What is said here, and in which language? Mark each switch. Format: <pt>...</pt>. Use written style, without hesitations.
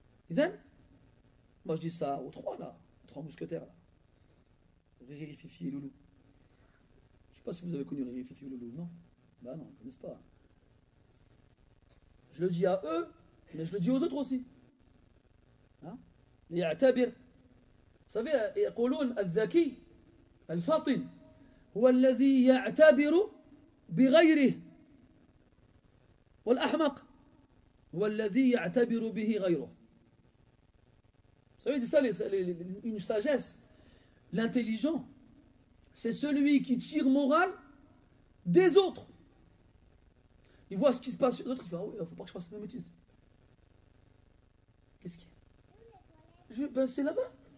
<fr>Et then, moi je dis ça aux trois là, aux trois mousquetaires là. Riri, Fifi et Loulou. Je ne sais pas si vous avez connu Riri, Fifi et Loulou, non? Ben non, ils ne connaissent pas. Je le dis à eux, mais je le dis aux autres aussi. Hein? Vous savez,</fr> <ar>يقولون الذكي الفاطن هو الذي يعتبر بغيره والأحمق هو الذي يعتبر به غيره.</ar> <fr>Vous savez, c'est ça une sagesse. L'intelligent, c'est celui qui tire morale des autres. Il voit ce qui se passe. L'autre, il fait, ah oui, il ne faut pas que je fasse la même bêtise. Qu'est-ce qu'il y a? C'est là-bas.</fr>